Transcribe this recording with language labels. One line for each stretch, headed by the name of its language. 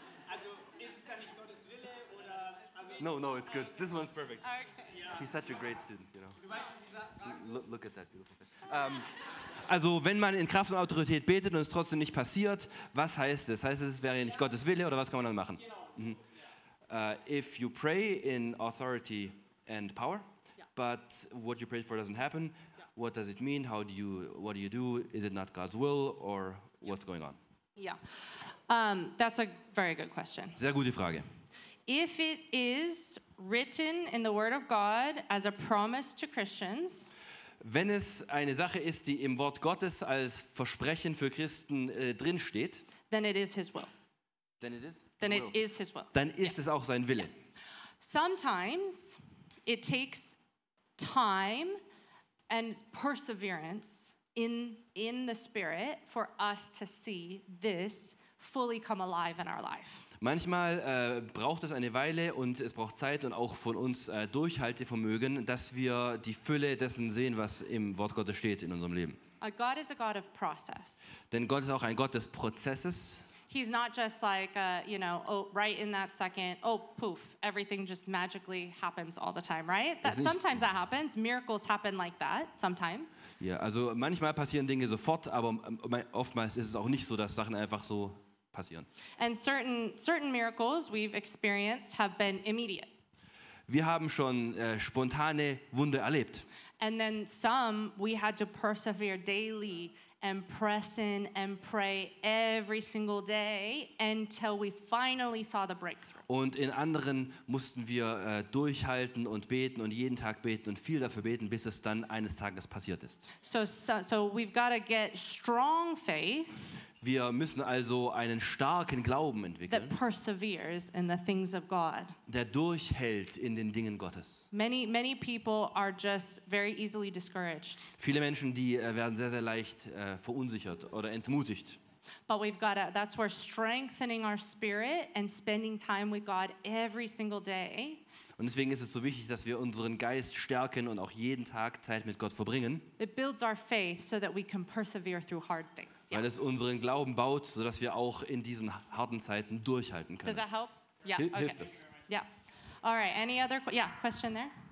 German: Also, ist es dann nicht Gottes Wille oder. Also
English: no, it's good. This one's perfect. Okay. Yeah. She's such a great student, you know.
German: Du weißt, was ich sage?
English: Look at that beautiful face.
German: Also, wenn man in Kraft und Autorität betet und es trotzdem nicht passiert, was heißt das? Heißt es, es wäre nicht Gottes Wille oder was kann man dann machen? Genau. Mhm.
English: If you pray in authority and power, but what you prayed for doesn't happen, what does it mean? What do you do? Is it not God's will or what's going on? Yeah, that's a very good question.
German: Sehr gute Frage.
English: If it is written in the Word of God as a promise to Christians,
German: Wenn es eine Sache ist, die im Wort Gottes als Versprechen für Christen drinsteht,
English: then it is his will. Then it is? Then it is his will.
German: Dann ist es auch sein Wille.
English: Sometimes it takes time and perseverance in the spirit for us to see this fully come alive in our life.
German: Manchmal braucht es eine Weile und es braucht Zeit und auch von uns Durchhaltevermögen, dass wir die Fülle dessen sehen, was im Wort Gottes steht in unserem Leben.
English: God is a God of process.
German: Denn Gott ist auch ein Gott des Prozesses.
English: He's not just like, you know, oh, right in that second, oh, poof, everything just magically happens all the time, right? That, sometimes that happens. Miracles happen like that, sometimes.
German: Ja, also manchmal passieren Dinge sofort, aber oftmals ist es auch nicht so, dass Sachen einfach so passieren.
English: And certain miracles we've experienced have been immediate.
German: Wir haben schon spontane Wunder erlebt.
English: And then some we had to persevere daily and press in and pray every single day until we finally saw the breakthrough.
German: Und in anderen mussten wir durchhalten und beten und jeden Tag beten und viel dafür beten, bis es dann eines Tages passiert ist.
English: So we've got to get strong faith.
German: Wir müssen also einen starken Glauben entwickeln,
English: that perseveres in the things of God.
German: Der durchhält in den Dingen Gottes.
English: Many people are just very easily discouraged.
German: Viele Menschen, die werden sehr, sehr leicht verunsichert oder entmutigt.
English: But we've got to, that's where strengthening our spirit and spending time with God every single day.
German: Und deswegen ist es so wichtig, dass wir unseren Geist stärken und auch jeden Tag Zeit mit Gott verbringen.
English: It builds our faith so that we can persevere through hard things.
German: Weil es unseren Glauben baut, so dass wir auch in diesen harten Zeiten durchhalten können.
English: Does that help? Yeah.
German: Hilft das?
English: Yeah. All right. Any other? Yeah. Question there.